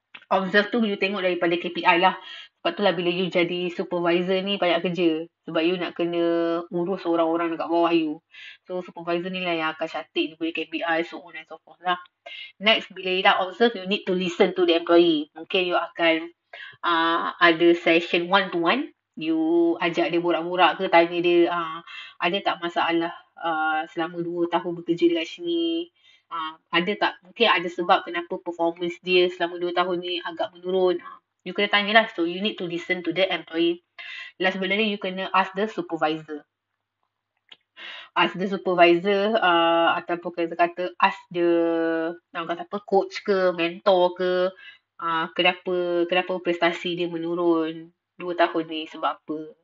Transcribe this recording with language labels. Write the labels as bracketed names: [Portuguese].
[Malay] Observe tu you tengok daripada KPI lah. Sebab tu lah bila you jadi supervisor ni banyak kerja. Sebab you nak kena urus orang-orang dekat bawah you. So, supervisor ni lah yang akan catik ni punya KPI, so on and so forth lah. [English] Next, [Malay] bila you dah [English] observe, you need to listen to the employee. [Malay] Mungkin you akan ada session one-to-one. You ajak dia borak-borak ke, tanya dia ada tak masalah selama 2 tahun bekerja dekat sini. Ada tak? Mungkin ada sebab kenapa performance dia selama 2 tahun ni agak menurun. You kena tanyalah. [English] So, you need to listen to the employee. Last but not least, you kena ask the supervisor. Ask the supervisor [Malay] ataupun kena kata ask the kata apa, coach ke, mentor ke, kenapa prestasi dia menurun 2 tahun ni sebab apa.